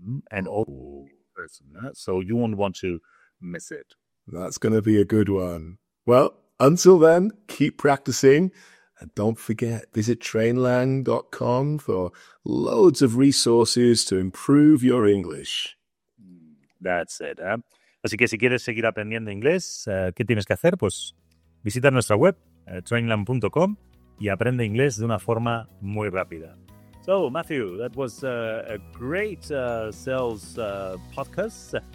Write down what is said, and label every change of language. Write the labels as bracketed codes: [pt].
[en] And so you won't want to miss it. That's going to be a good one. Well, until then, keep practicing And don't forget, visit trainlang.com for loads of resources to improve your English. That's it. [es] Así que si quieres seguir aprendiendo inglés, ¿qué tienes que hacer? Pues visita nuestra web, trainlang.com, y aprende inglés de una forma muy rápida. [en] So, Matthew, that was a great sales podcast.